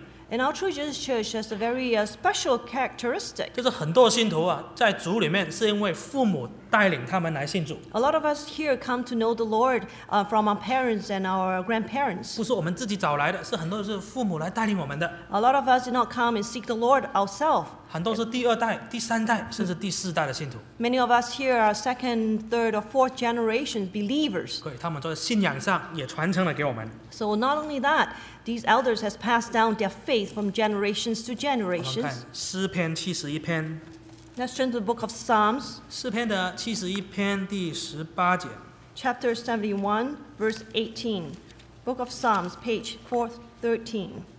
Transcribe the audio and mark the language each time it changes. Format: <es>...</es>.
<en>In our True Jesus Church has a very special characteristic.</en> <zh>就是很多信徒啊,</zh> <en>a lot of us here come to know the Lord from our parents and our grandparents.</en> <zh>不是我们自己找来的,</zh> <en>a lot of us did not come and seek the Lord ourselves.</en> <zh>很多是第二代, 第三代, 甚至第四代的信徒。</zh> <en>Many of us here are second, third, or fourth generation believers.</en> <zh>对，他们在信仰上也传承了给我们。</zh> <en>So not only that, these elders has passed down their faith from generations to generations.</en> <zh>我们看诗篇71篇。</zh> <en>Let's turn to the book of Psalms.</en> <zh>诗篇的71篇第18节。</zh> <en>Chapter 71, verse 18. Book of Psalms, page 413.</en>